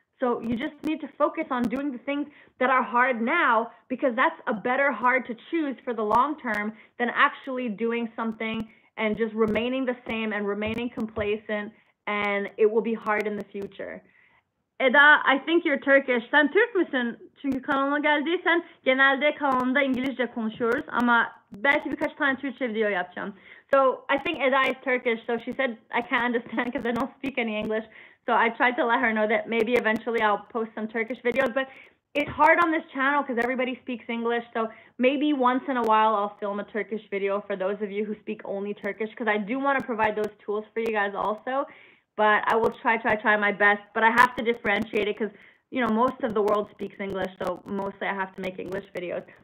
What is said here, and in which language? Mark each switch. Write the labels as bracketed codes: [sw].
[en] So you just need to focus on doing the things that are hard now, because that's a better hard to choose for the long term than actually doing something and just remaining the same and remaining complacent, and it will be hard in the future. Eda, I think you're Turkish. [tr] Sen Türk müsün? Çünkü kanalıma geldiysen genelde kanalımda İngilizce konuşuyoruz ama belki birkaç tane Türkçe video yapacağım. [en] So I think Eda is Turkish, so she said I can't understand because I don't speak any English. So I tried to let her know that maybe eventually I'll post some Turkish videos, but it's hard on this channel because everybody speaks English, so maybe once in a while I'll film a Turkish video for those of you who speak only Turkish, because I do want to provide those tools for you guys also, but I will try my best, but I have to differentiate it because, you know, most of the world speaks English, so mostly I have to make English videos.